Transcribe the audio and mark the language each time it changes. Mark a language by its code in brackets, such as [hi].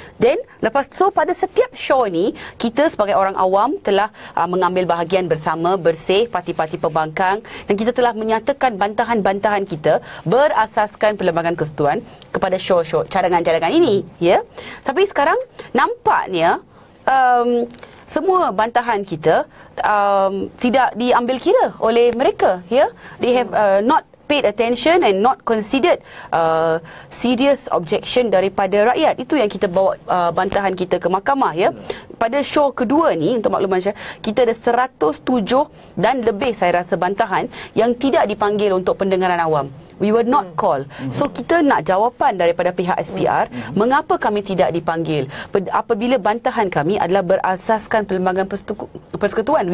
[ms] Then lepas tu, so pada setiap Shore ni kita sebagai orang awam telah mengambil bahagian bersama bersih parti-parti pembangkang, dan kita telah menyatakan bantahan-bantahan kita berasaskan Perlembagaan Kesatuan kepada Shore-Shore cadangan-cadangan ini. Ya. Tapi sekarang nampaknya semua bantahan kita tidak diambil kira oleh mereka, ya. [en] They have not paid attention and not considered serious objection [ms] daripada rakyat. Itu yang kita bawa bantahan kita ke mahkamah, ya. Pada show kedua ni, untuk makluman saya, kita ada 107 dan lebih saya rasa bantahan yang tidak dipanggil untuk pendengaran awam. [en] We were not called. [ms] So kita nak jawapan daripada pihak SPR, mengapa kami tidak dipanggil apabila bantahan kami adalah berasaskan Perlembagaan Persekutuan.